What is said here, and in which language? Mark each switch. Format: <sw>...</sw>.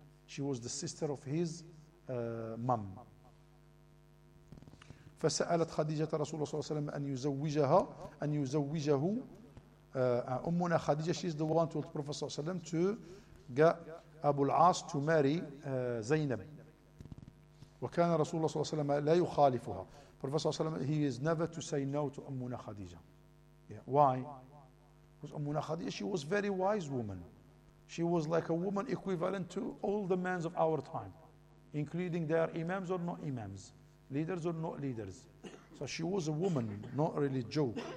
<en>She was the sister of his mom.</en> <ar>فسألت خديجة رسول الله صلى الله عليه وسلم أن يزوجه أمنا خديجة.</ar> <en>She is the one who told Prophet صلى الله عليه وسلم to get أبو العاص to marry زينب.</en> <ar>وكان رسول الله صلى الله عليه وسلم لا يخالفها.</ar> <en>Prophet صلى الله عليه وسلم, he is never to say no to أمنا خديجة. Yeah. Why? Because أمنا خديجة, she was very wise woman. She was like a woman equivalent to all the men of our time, including their imams or not imams. leaders or not leaders. So she was a woman, not really a Jew.</en>